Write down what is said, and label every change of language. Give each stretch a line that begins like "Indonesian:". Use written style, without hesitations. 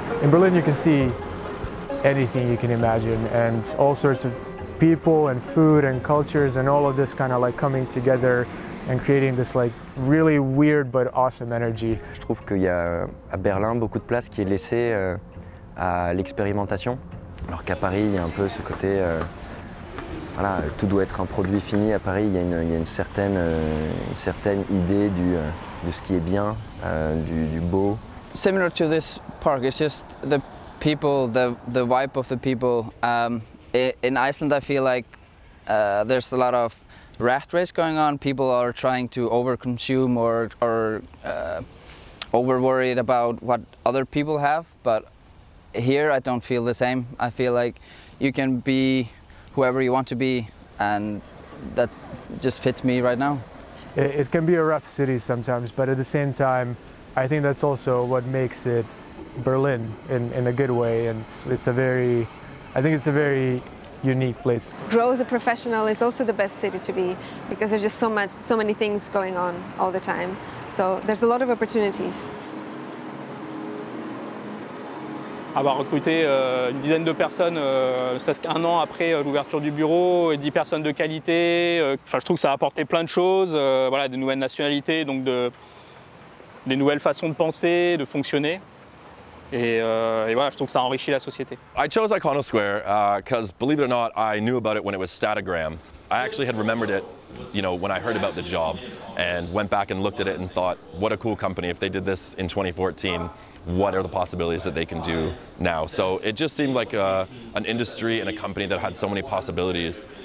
English: Berlin, you can see anything you can imagine, and all sorts of people and food and cultures and all of this kind of like coming together and creating this like really weird but awesome energy.
French: Je trouve qu'il y a à Berlin beaucoup de place qui est laissée à l'expérimentation, alors qu'à Paris il y a un peu ce côté voilà, tout doit être un produit fini. À Paris, il y a une certaine idée de ce qui est bien, du beau.
English: Similar to this park, it's just the people, the vibe of the people. In Iceland, I feel like there's a lot of rat race going on. People are trying to overconsume or over worried about what other people have. But here, I don't feel the same. I feel like you can be whoever you want to be, and that just fits me right now. It can be a rough city sometimes, but at the same time, I think that's also what makes it Berlin in a good way, and I think it's a very unique place. Grow as a professional is also the best city to be, because there's just so many things going on all the time. So there's a lot of opportunities.
French: Ah bah, recruter une dizaine de personnes presque un an après l'ouverture du bureau et 10 personnes de qualité, je trouve que ça a apporté plein de choses, voilà, de nouvelles nationalités, donc des nouvelles façons de penser, de fonctionner. Et voilà, je trouve que ça a enrichi la société.
English: I chose Icono Square because believe it or not, I knew about it when it was Statogram. I actually had remembered it, you know, when I heard about the job and went back and looked at it and thought, what a cool company if they did this in 2014. What are the possibilities that they can do now? So it just seemed like an industry and a company that had so many possibilities.